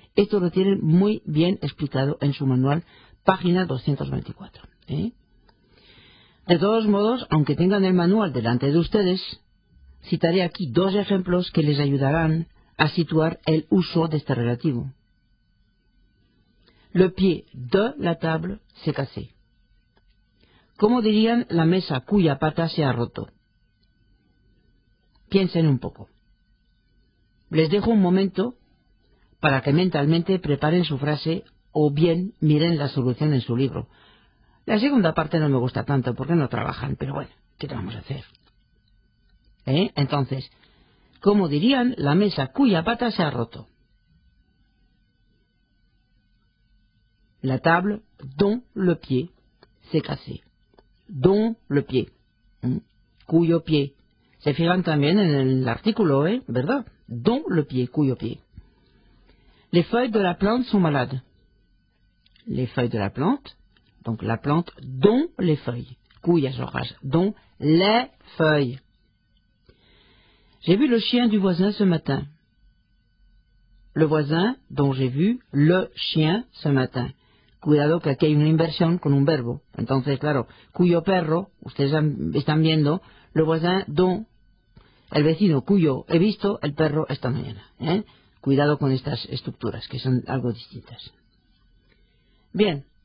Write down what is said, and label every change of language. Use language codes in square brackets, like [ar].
[es] Esto lo tienen muy bien explicado en su manual, página 224. De todos modos, aunque tengan el manual delante de ustedes, citaré aquí dos ejemplos que les ayudarán a situar el uso de este relativo. [fr] Le pied de la table s'est cassé. [es] ¿Cómo dirían la mesa cuya pata se ha roto? Piensen un poco. Les dejo un momento para que mentalmente preparen su frase o bien miren la solución en su libro. La segunda parte no me gusta tanto porque no trabajan, pero bueno, ¿qué vamos a hacer? Entonces, ¿cómo dirían la mesa cuya pata se ha roto? [fr] La table dont le pied s'est cassé. Dont le pied. [es] Cuyo pie. Se fijan también en el artículo, ¿verdad? [fr] Dont le pied, [es] cuyo pie. [fr] Les feuilles de la plante sont malades. Les feuilles de la plante. Donc la plante dont les feuilles. [es] Cuyas hojas. [fr] Dont les feuilles. J'ai vu le chien du voisin ce matin. Le voisin dont j'ai vu le chien ce matin. [es] Cuidado que aquí hay una inversión con un verbo. Entonces, claro, cuyo perro, ustedes están viendo, [fr] le voisin dont, [es] el vecino cuyo he visto el perro esta mañana. Cuidado con estas estructuras, que son algo distintas. Bien.